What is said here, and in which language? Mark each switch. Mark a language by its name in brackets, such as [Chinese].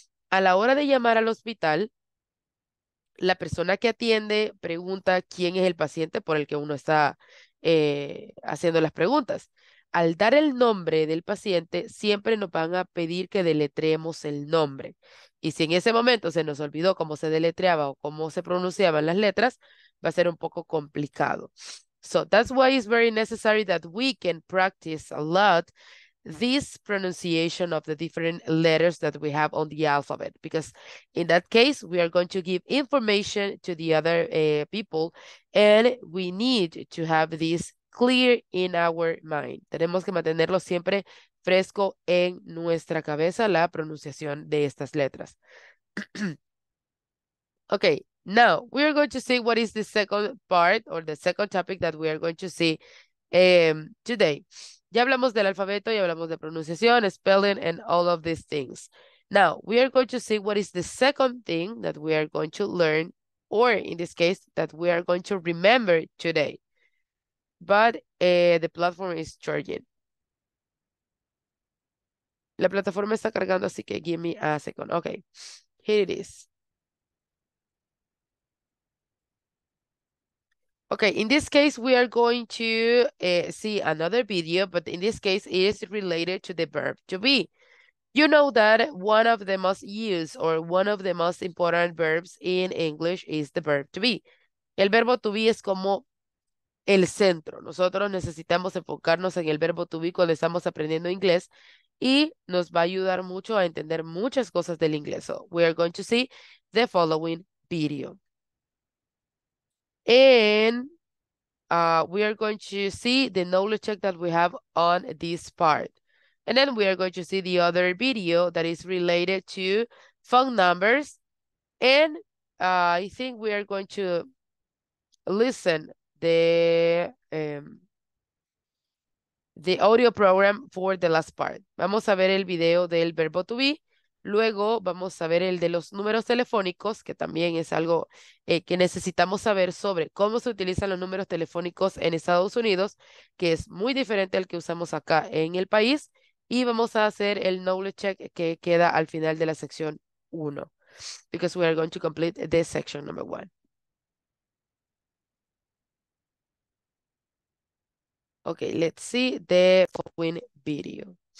[Spanish] A la hora de llamar al hospital, la persona que atiende pregunta quién es el paciente por el que uno está haciendo las preguntas. Al dar el nombre del paciente, siempre nos van a pedir que deletreemos el nombre. Y si en ese momento se nos olvidó cómo se deletreaba o cómo se pronunciaban las letras, va a ser un poco complicado. [English] So that's why it's very necessary that we can practice a lot this pronunciation of the different letters that we have on the alphabet. Because in that case, we are going to give information to the other people and we need to have this clear in our mind. [Spanish] Tenemos que mantenerlo siempre fresco en nuestra cabeza la pronunciación de estas letras. [English] Okay, now we are going to see what is the second part or the second topic that we are going to see today. [Spanish] Ya hablamos del alfabeto, ya hablamos de pronunciación, spelling, [English] and all of these things. Now we are going to see what is the second thing that we are going to learn, or in this case, that we are going to remember today. But the platform is charging. [Spanish] La plataforma está cargando, así que [English] give me a second. Okay, here it is. Okay, in this case, we are going to see another video, but in this case, it is related to the verb to be. You know that one of the most used or one of the most important verbs in English is the verb to be. [Spanish] El verbo to be es como el centro. Nosotros necesitamos enfocarnos en el verbo to be cuando estamos aprendiendo inglés y nos va a ayudar mucho a entender muchas cosas del inglés. [English] So we are going to see the following video. And we are going to see the knowledge check that we have on this part. And then we are going to see the other video that is related to phone numbers. And I think we are going to listen the audio program for the last part. [Spanish] Vamos a ver el video del verbo to be. Luego vamos a ver el de los números telefónicos, que también es algo que necesitamos saber sobre cómo se utilizan los números telefónicos en Estados Unidos, que es muy diferente al que usamos acá en el país. Y vamos a hacer el knowledge check que queda al final de la sección 1. [English] Because we are going to complete this section number 1. Okay, let's see the following video.